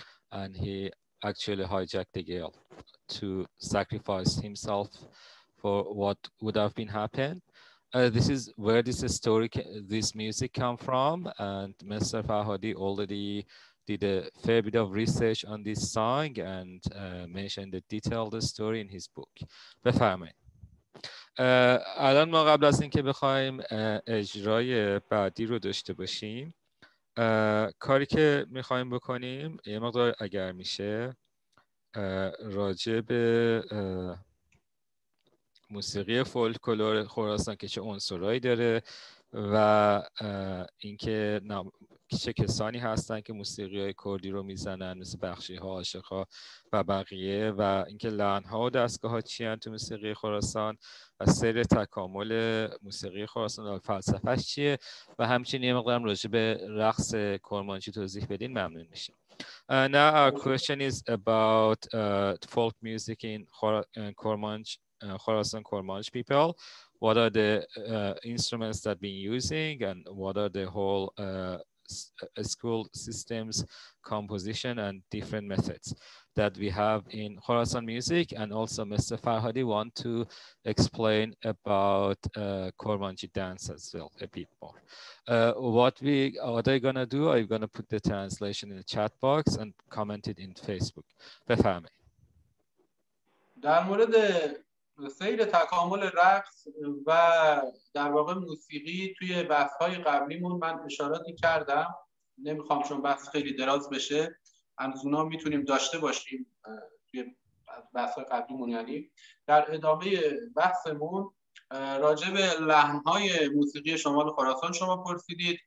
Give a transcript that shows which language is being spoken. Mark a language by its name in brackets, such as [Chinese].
[English] And he actually hijacked the girl to sacrifice himself for what would have been happened. This is where this story, this music come from. And Mr. Fahadi already did a fair bit of research on this song and mentioned the detailed story in his book. [Persian] بفرمایید. الان ما قبل از اینکه بخوایم اجرای بعدی رو داشته باشیم کاری که میخوایم بکنیم یه مقدار اگر میشه راجع به موسیقی فولکلور خراسان که چه عنصرهایی داره و اینکه چه کسانی هستن که موسیقی های کردی رو میزنن مثل بخشی ها عاشقا و بقیه و اینکه لحن ها و دستگاه ها چی هن تو موسیقی خراسان و سر تکامل موسیقی خراسان و فلسفه چیه و همچنین یه مقدارم راجع به رقص کرمانجی توضیح بدین ممنون میشم. [English] Now our question is about folk music in Kormanji, Khorasan Kormanji people. What are the instruments that been using, and what are the whole school systems, composition, and different methods that we have in Khorasan music? And also, Mr. Farhadi want to explain about Kormanji dance as well a bit more. What are you gonna do? Are you gonna put the translation in the chat box and comment it in Facebook? Befahami. [Persian] در مورد سیر تکامل رقص و در واقع موسیقی توی بحث‌های قبلیمون من اشاراتی کردم، نمیخوام چون بحث خیلی دراز بشه همزونا میتونیم داشته باشیم توی بحث قبلیمون، یعنی در ادامه بحثمون راجع به لحن‌های موسیقی شمال خراسان شما پرسیدید.